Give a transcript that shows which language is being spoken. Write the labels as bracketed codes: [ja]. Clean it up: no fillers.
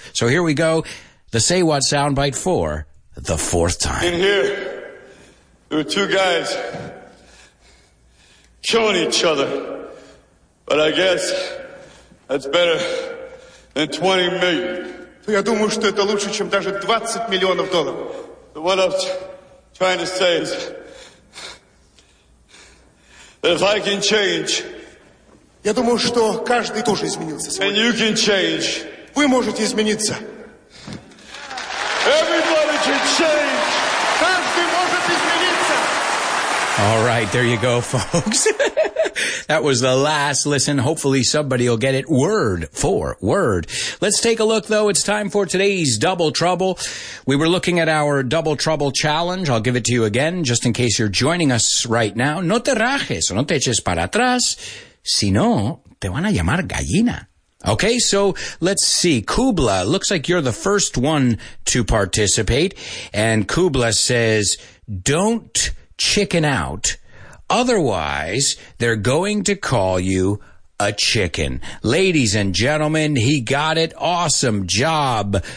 [en] So here we go, the Say What soundbite for the fourth time. In here, there were two guys killing each other, but I guess that's better than 20 million. [ru] Я думаю, что это лучше, чем даже 20 миллионов долларов. [en] So what I'm trying to say is if I can change, [ru] я думаю, что каждый тоже изменился. [en] And you can change. [ru] Вы можете измениться. [en] Everybody can change. [ru] Каждый может измениться. [en] All right, there you go, folks. That was the last listen. Hopefully somebody will get it word for word. Let's take a look, though. It's time for today's Double Trouble. We were looking at our Double Trouble Challenge. I'll give it to you again, just in case you're joining us right now. [es] No te rajes, no te eches para atrás. Si no, te van a llamar gallina. [en] Okay, so let's see. Kubla, looks like you're the first one to participate. And Kubla says, don't chicken out. Otherwise, they're going to call you a chicken. Ladies and gentlemen, he got it. Awesome job.